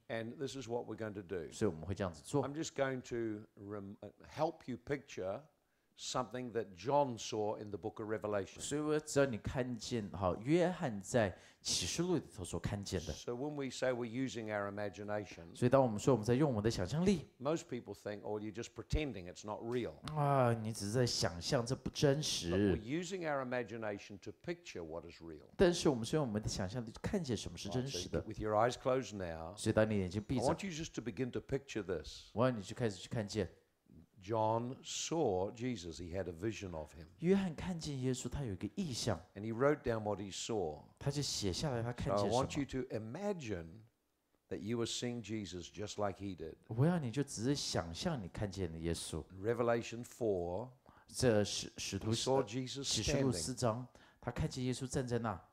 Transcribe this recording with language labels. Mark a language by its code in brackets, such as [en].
[en] And this is what we're going to do. [zh] 所以我们会这样子做。 [en] I'm just going to help you picture something that John saw in the book of Revelation. [zh] 所以我只要你看见，好，约翰在启示录里头所看见的。 [en] So when we say we're using our imagination, [zh] 所以当我们说我们在用我们的想象力， [en] most people think, oh, you're just pretending it's not real. [zh] 啊，你只是在想象，这不真实。 [en] But we're using our imagination to picture what is real. [zh] 但是我们是用我们的想象力看见什么是真实的。 [en] With your eyes closed now, [zh] 所以当你眼睛闭着， [en] I want you just to begin to picture this. [zh] 我要你去开始去看见。 [en] John saw Jesus. He had a vision of him. [zh] 约翰看见耶稣，他有一个异象。 [en] And he wrote down what he saw. [zh] 他就写下来他看见什么。 [en] So I want you to imagine that you were seeing Jesus just like he did. [zh] 我要你就只是想象你看见了耶稣。 [en] Revelation 4. [zh] 这使徒行。 [en] Saw Jesus standing. [zh] 启示录四章， 他看见耶稣站在那。